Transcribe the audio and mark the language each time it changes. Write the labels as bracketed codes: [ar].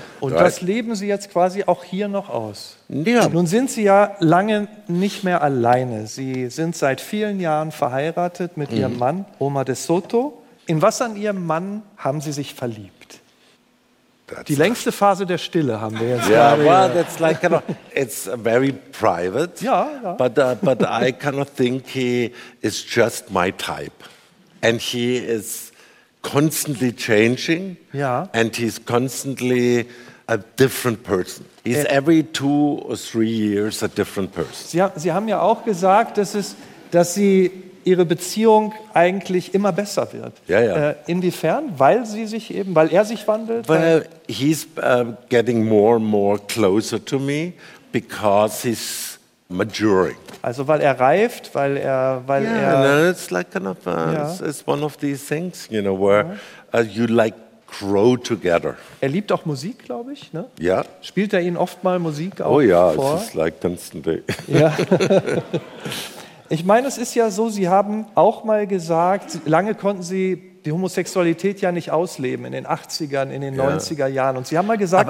[de] Und das leben Sie jetzt quasi auch hier noch aus. Ja. Nun sind Sie ja lange nicht mehr alleine. Sie sind seit vielen Jahren verheiratet mit Ihrem Mann, Omar De Soto. In was an Ihrem Mann haben Sie sich verliebt? Die längste Phase der Stille haben wir jetzt. [en] Ja, yeah, well, that's like kind of, it's very private. [de] Ja, ja. [en] But I kind of think he is just my type. And he is constantly changing. [de] Ja. [en] And he's constantly a different person. He's every 2 or 3 years a different person. [de] Sie haben ja auch gesagt, dass Sie ihre Beziehung eigentlich immer besser wird. Ja, ja. Inwiefern? Weil sie sich eben, weil er sich wandelt? [en] Well, he's getting more and more closer to me because he's maturing. [de] Also weil er reift, weil er, weil [en] yeah, Yeah, no, it's like kind of, it's one of these things, you know, where you like grow together. [de] Er liebt auch Musik, glaube ich, ne? Ja. Spielt er Ihnen oft mal Musik auch vor? [en] Oh ja, it's like constantly. [de] Ja. Ich meine, es ist ja so, Sie haben auch mal gesagt, lange konnten Sie die Homosexualität ja nicht ausleben, in den 80ern, in den 90er Jahren. Und Sie haben mal gesagt...